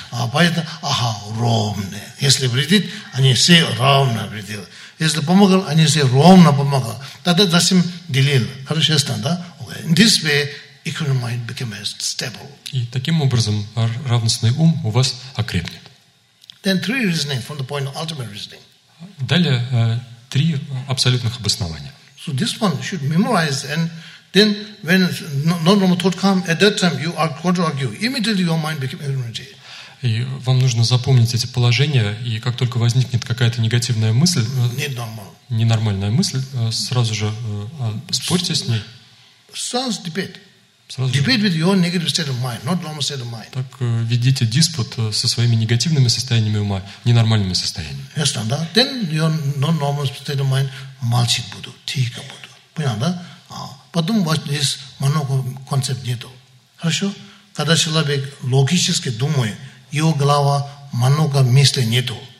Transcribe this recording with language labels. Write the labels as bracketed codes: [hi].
[ru] А поэтому, ага, ровные. Если вредит, они все ровно вредил. Если помогал, они все ровно помогал. Тогда зачем делил? Хорошо, ясно, да? [en] Okay. In this way, equal mind became stable. [ru] И таким образом равностный ум у вас окрепнет. [en] Then three reasoning from the point of ultimate reasoning. [ru] Далее три абсолютных обоснования. [en] So this one should memorize, and then when non-normal thought comes, at that time you are counter-argue. Immediately your mind becomes energy. [ru] И вам нужно запомнить эти положения, и как только возникнет какая-то негативная мысль, ненормальная мысль, сразу же спорьте с ней. [en] Sounds debate. [ru] Сразу [en] debate with your negative state of mind, not normal state of mind. [ru] Так ведите диспут со своими негативными состояниями ума, ненормальными состояниями. Yes, no, no. Then your non-normal state of mind молчит буду, тихо буду. Понятно, да? А потом у вас здесь много концепт нету. Хорошо? Когда человек логически думает, его голова много мысли нету.